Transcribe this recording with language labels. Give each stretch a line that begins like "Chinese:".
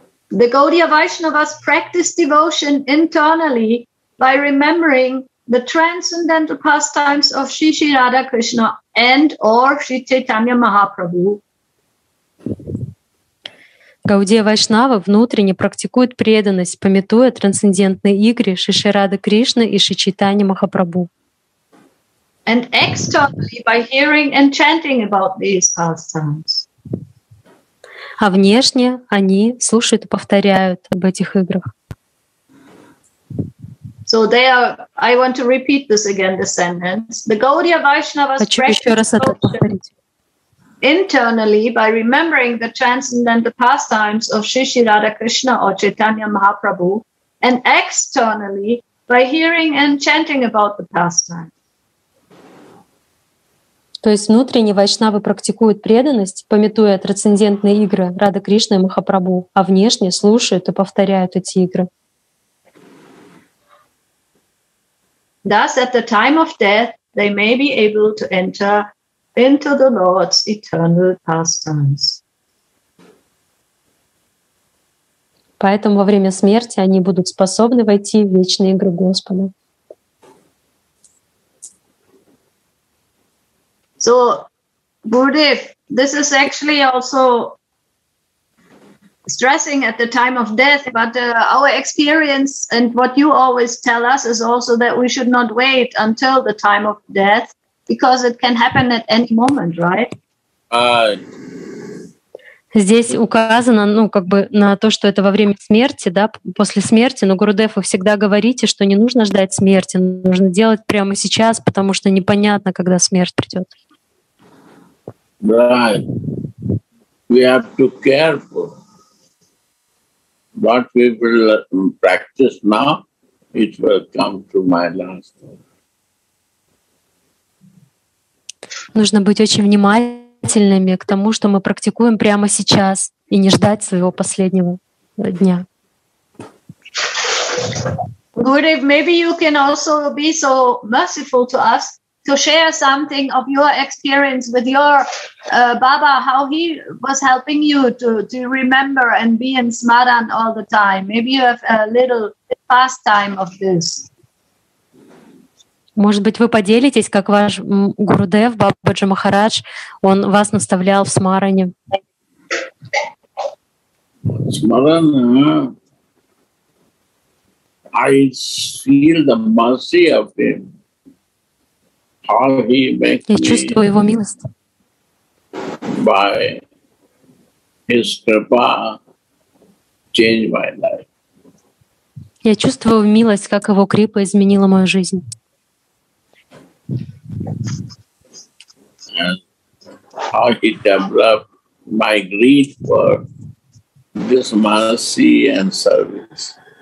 English: The Gaudiya Vaishnavas practice devotion internally by remembering the transcendental pastimes of Sri Sri Radha Krishna and or Sri Chaitanya Mahaprabhu.
Russian: Гаудия Вайшнава внутренне практикует преданность, памятуя трансцендентные игры Шри Шри Рады Кришны и Шри Чайтаньи Махапрабху.
English: And externally by hearing and chanting about these pastimes.
Russian: А внешне они слушают и повторяют об этих играх.
English: So they are, I want to repeat this again, the sentence. The Gaudiya Vaishnavas internally by remembering the transcendental pastimes of Sri Sri Radha Krishna or Chaitanya Mahaprabhu and externally by hearing and chanting about the pastimes.
Russian: То есть внутренне вайшнавы практикуют преданность, памятуя трансцендентные игры Рады Кришны и Махапрабху, а внешне слушают и повторяют эти игры.
English: Thus, at the time of death, they may be able to enter into the Lord's eternal pastimes.
Russian: Поэтому во время смерти они будут способны войти в вечные игры Господа.
English: So, Gurudev, this is actually also stressing at the time of death, but our experience and what you always tell us is also that we should not wait until the time of death because it can happen at any moment, right?
Russian: Здесь указано, ну, как бы на то, что это во время смерти, да, после смерти, но, Гурудев, вы всегда говорите, что не нужно ждать смерти, нужно делать прямо сейчас, потому что непонятно, когда смерть придет.
English: Right. We have to careful what we will practice now, it will come to my last life.
Russian: Нужно быть очень внимательными к тому, что мы практикуем прямо сейчас, и не ждать своего последнего дня.
English: Gurudev, maybe you can also be so merciful to us to share something of your experience with your Baba, how he was helping you to remember and be in smaran all the time. Maybe you have a little pastime of this.
Russian: Может быть, вы поделитесь, как ваш Гурудев, Бабаджи Махарадж, он вас наставлял в смаране.
English: Смарана, I feel the mercy of him.
Russian: Я чувствую его милость.
English: By his kripa, change my life.
Russian: Я чувствую милость, как его крипа изменила мою жизнь.
English: And how he developed my greed for this mercy and service.